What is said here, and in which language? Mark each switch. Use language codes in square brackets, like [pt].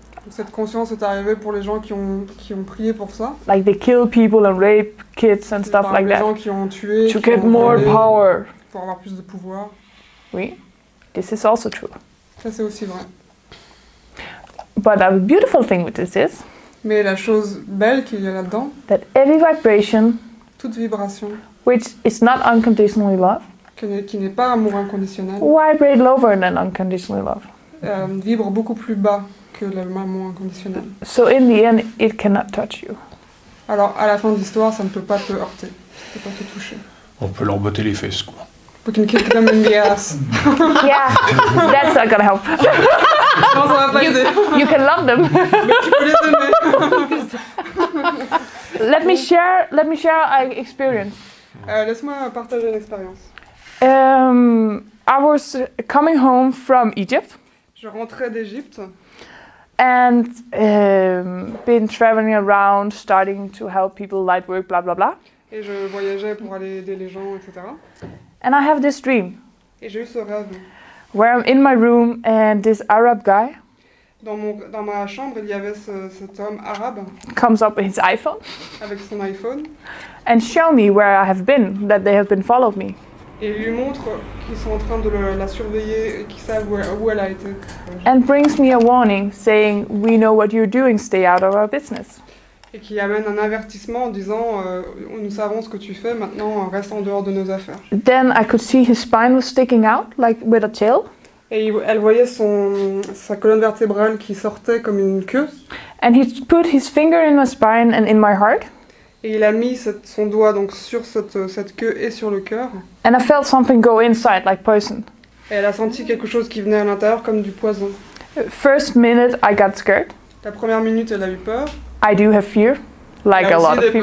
[fr] Cette conscience est arrivée pour les gens qui ont prié pour ça. [en] Like they kill people and rape kids and stuff like that. [fr] Les gens qui ont tué. [en] To get more power. [fr] Pour avoir plus de pouvoir. [en] Oui. This is also true. [fr] Ça c'est aussi vrai. [en] But a beautiful thing with this is. [fr] Mais la chose belle qu'il y a là-dedans. [en] That every vibration. [fr] Toute vibration. [en] Which is not unconditionally love. [fr] Qui n'est pas amour inconditionnel. [en] Vibrate lower than unconditionally love. [fr] Vibre beaucoup plus bas que l'amour inconditionnel. [en] So in the end, it cannot touch you. [fr] Alors à la fin de l'histoire, ça ne peut pas te heurter. Ça ne peut pas te toucher. On peut leur botter les fesses, quoi. [en] We can kick them in the ass. Yeah, that's not gonna help. [fr] Non, ça va pas aider. [en] You can love them. [fr] Mais tu peux les aimer. [en] Let me share an experience. [fr] Laisse-moi partager une expérience. [en] I was coming home from Egypt. [fr] Je rentrais d'Égypte. [en] And been traveling around, starting to help people, light work, blah blah blah. [fr] Et je voyageais pour aller aider les gens, etc. [en] And I have this dream. [fr] Et j'ai eu ce rêve. [en] Where I'm in my room and this Arab guy. [fr] Dans ma chambre, il y avait cet homme arabe. [en] Comes up with his iPhone. [fr] Avec son iPhone. [en] And show me where I have been, that they have been following me. [fr] Et lui montre qu'ils sont en train de la surveiller et qu'ils savent où elle a été. [en] And brings me a warning saying, we know what you're doing, stay out of our business. [fr] Et qui amène un avertissement en disant, nous savons ce que tu fais, maintenant reste en dehors de nos affaires. [en] Then I could see his spine was sticking out, like with a tail. [fr] Et elle voyait sa colonne vertébrale qui sortait comme une queue. [en] And he put his finger in my spine and in my heart. [fr] Et il a mis son doigt donc sur cette queue et sur le cœur. [en] And I felt something go inside, like poison. [fr] Et elle a senti quelque chose qui venait à l'intérieur comme du poison. [en] First minute, I got scared. [fr] La première minute, elle a eu peur. [en] I do have fear, like a lot of people.